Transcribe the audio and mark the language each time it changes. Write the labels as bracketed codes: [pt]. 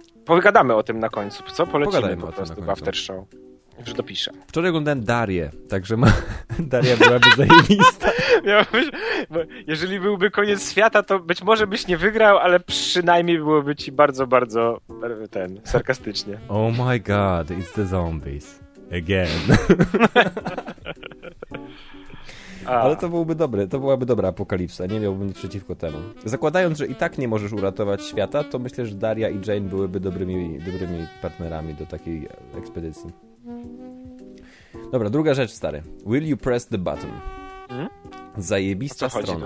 [pl] Pogadamy o tym na końcu, co? Polecimy Pogadajmy po prostu w After Show. Już dopiszę. Wczoraj oglądałem Darię, także ma... Daria byłaby zajebista. Miałbyś... Jeżeli byłby koniec świata, to być może byś nie wygrał, ale przynajmniej byłoby ci bardzo, bardzo ten sarkastycznie. [en] Oh my god, it's the zombies. Again. [pl] Ale to byłby dobry, to byłaby dobra apokalipsa, nie miałbym nic przeciwko temu. Zakładając, że i tak nie możesz uratować świata, to myślę, że Daria i Jane byłyby dobrymi partnerami do takiej ekspedycji. Dobra, druga rzecz, stary. [en] Will you press the button? [pl] Zajebista strona.